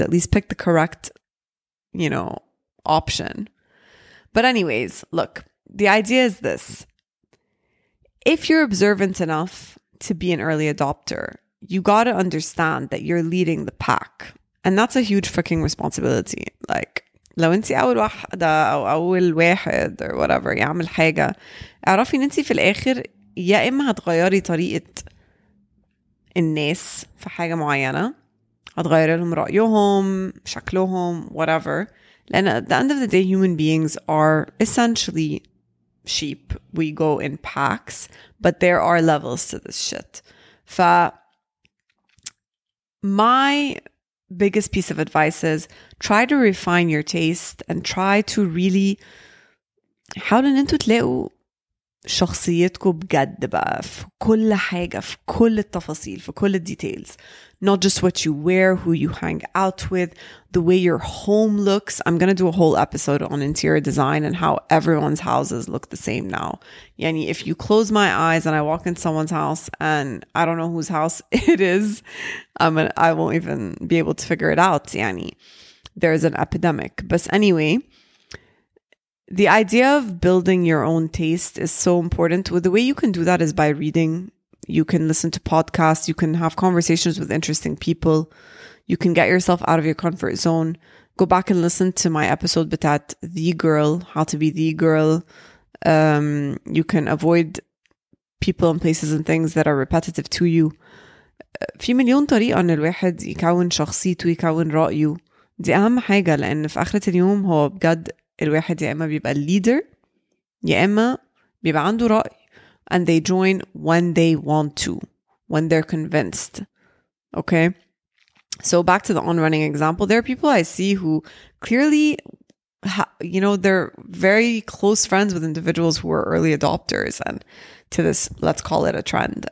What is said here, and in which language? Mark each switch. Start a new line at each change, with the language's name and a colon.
English: At least pick the correct, you know, option. But anyways, look, the idea is this. If you're observant enough to be an early adopter, you got to understand that you're leading the pack. And that's a huge fucking responsibility.
Arabic: Like, لو انت اول واحد او اول واحد
English: or whatever,
Arabic: يعمل حاجة, اعرفي ان انت في الاخر يا اما هتغيري طريقة الناس في حاجة معينة, هتغيري لهم رأيهم, شكلهم, whatever.
English: And at the end of the day, human beings are essentially sheep. We go in packs, but there are levels to this shit. My biggest piece of advice is try to refine your taste and try to really
Arabic: حاول ان انتو تلاقوا شخصيتكو بجد بقى في كل حاجة, في كل التفاصيل, في كل الديتيلز.
English: Not just what you wear, who you hang out with, the way your home looks. I'm going to do a whole episode on interior design and how everyone's houses look the same now. Yani, if you close my eyes and I walk in someone's house and I don't know whose house it is, I won't even be able to figure it out. Yani, there is an epidemic. But anyway, the idea of building your own taste is so important. Well, the way you can do that is by reading. You can listen to podcasts. You can have conversations with interesting people. You can get yourself out of your comfort zone. Go back and listen to my episode, Batat, The Girl, How to Be The Girl. You can avoid people and places and things that are repetitive to you.
Arabic: في مليون طريقة أن الواحد يكون شخصيته ويكون رأيه. دي أهم حاجة لأن في آخرة اليوم هو بجد الواحد يا إما بيبقى leader يا إما بيبقى عنده رأي.
English: And they join when they want to, when they're convinced. Okay? So back to the On Running example, there are people I see who clearly, you know, they're very close friends with individuals who were early adopters and to this, let's call it a trend.